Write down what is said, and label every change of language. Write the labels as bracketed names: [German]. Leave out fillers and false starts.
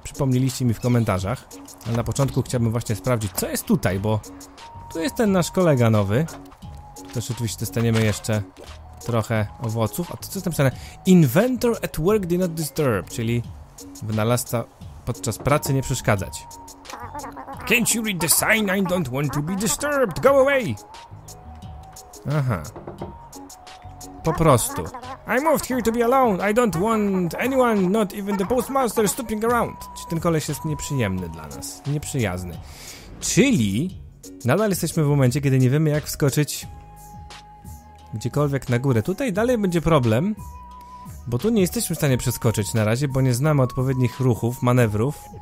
[Polish] Przypomnieliście mi w komentarzach. Ale na początku chciałbym właśnie sprawdzić, co jest tutaj, bo tu jest ten nasz kolega nowy. Też oczywiście dostaniemy jeszcze trochę owoców. A to co jest napisane? [English] Inventor at work did not disturb, [Polish] czyli wynalazca podczas pracy nie przeszkadzać. [English] Can't you read the sign? I don't want to be disturbed. Go away! [Polish] Aha. Po prostu. [English] I moved here to be alone. I don't want anyone, not even the postmaster, stooping around. [Polish] Czyli ten koleś jest nieprzyjemny dla nas. Nieprzyjazny. Czyli nadal jesteśmy w momencie, kiedy nie wiemy, jak wskoczyć gdziekolwiek na górę. Tutaj dalej będzie problem, bo tu nie jesteśmy w stanie przeskoczyć na razie, bo nie znamy odpowiednich ruchów, manewrów.